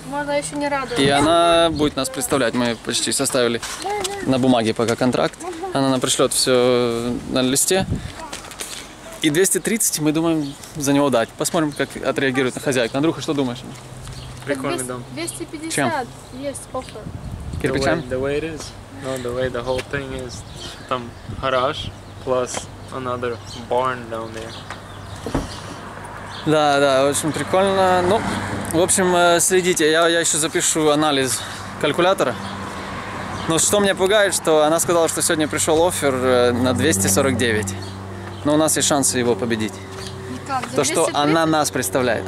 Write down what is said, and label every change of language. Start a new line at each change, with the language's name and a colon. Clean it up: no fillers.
Russian: Она еще не радует. И она будет нас представлять, мы почти составили на бумаге пока контракт. Она нам пришлет все на листе. И 230 мы думаем за него дать. Посмотрим, как отреагирует на хозяйку. Андрюха, что думаешь? Прикольный дом. 250. Чем? Есть офер.
English: The way it is, no, the way the whole thing is,
Russian: там гараж
English: plus another barn down there.
Russian: Да, да, очень прикольно. Ну, в общем, следите, я еще запишу анализ калькулятора. Но что меня пугает, что она сказала, что сегодня пришел оффер на 249. Но у нас есть шансы его победить. То, что она нас представляет.